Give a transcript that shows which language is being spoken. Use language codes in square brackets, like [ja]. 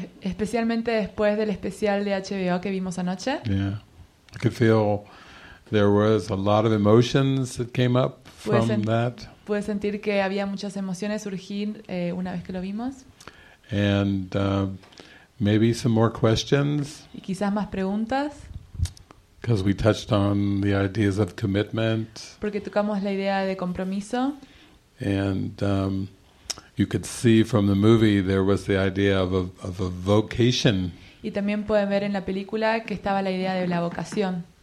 [es] Especialmente después del especial de HBO que vimos anoche. [en] Yeah. I could feel there was a lot of emotions that came up from that. [es] Pude sentir que había muchas emociones surgir una vez que lo vimos. [en] And maybe some more questions. [es] Y quizás más preguntas. [en] Because we touched on the ideas of commitment. [es] Porque tocamos la idea de compromiso. [en] And you could see from the movie there was the idea of a vocation. [es] Y también pueden ver en la película que estaba la idea de la vocación.